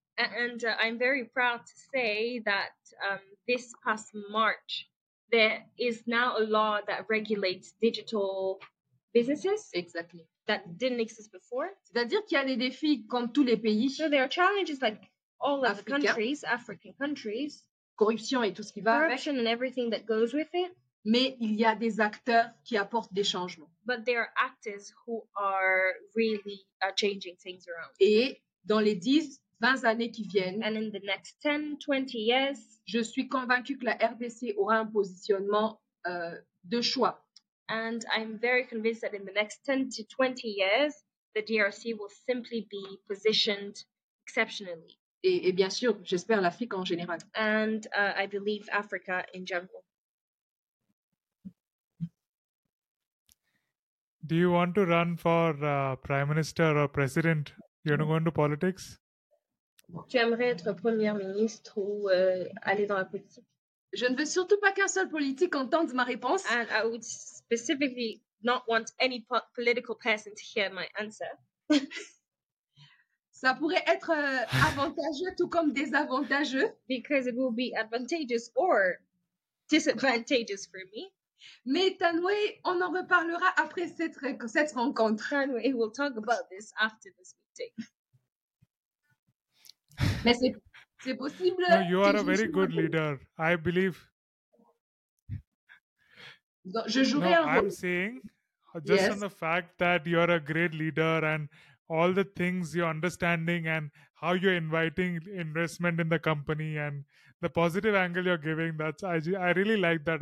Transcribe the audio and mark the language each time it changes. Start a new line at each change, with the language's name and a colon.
English: And I'm very proud to say that this past March, there is now a law that regulates digital businesses. Exactly. That didn't exist before.
French: C'est-à-dire qu'il y a des défis comme tous les pays.
English: So there are challenges like all of the countries, African countries.
French: Corruption et tout ce qui va avec.
English: Corruption and everything that goes with it.
French: Mais il y a des acteurs qui apportent des changements.
English: But there are actors who are really changing things around.
French: Et dans les 10-20 années qui viennent.
English: And in the next 10-20 years.
French: Je suis convaincue que la RDC aura un positionnement de choix.
English: And I'm very convinced that in the next 10 to 20 years, the DRC will simply be positioned exceptionally.
French: Et bien sûr, j'espère l'Afrique en général.
English: And I believe Africa in general. Do you want to run for prime minister or president? You want to go into politics?
French: Tu aimerais être première ministre ou aller dans la politique? Je ne veux surtout pas qu'un seul politique entende ma réponse.
English: And I would specifically not want any political person to hear my answer.
French: Ça pourrait être avantageux tout comme désavantageux.
English: Because it will be advantageous or disadvantageous for me.
French: Mais Tanwe, on en reparlera après cette rencontre.
English: Tanwe, we'll talk about this after this meeting.
French: Mais c'est possible.
English: No, you are a very good leader. I believe.
French: Donc, je jouerai
English: no, I'm saying just yes. on the fact that you are a great leader and all the things you're understanding and how you're inviting investment in the company and the positive angle you're giving, that's I really like that.